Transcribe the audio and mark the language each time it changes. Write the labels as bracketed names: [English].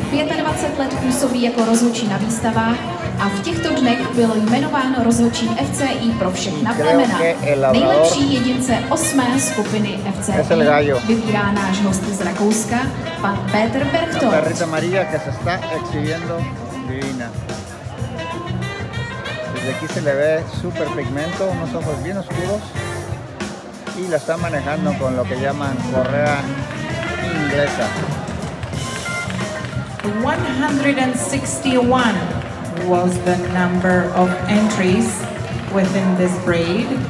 [Czech] 25 let působí jako rozhodčí na výstavách a v těchto dnech byl jmenován rozhodčím FCI pro všechna plemena. Nejlepší jedince 8. skupiny FCI vybírá náš host z Rakouska, pan Peter Berchtold. [Spanish] Maria, que se está exhibiendo divina. Desde aquí se le ve super pigmento, unos ojos bien oscuros. Y la está manejando con lo que llaman correa inglesa. [English] 161 was the number of entries within this breed.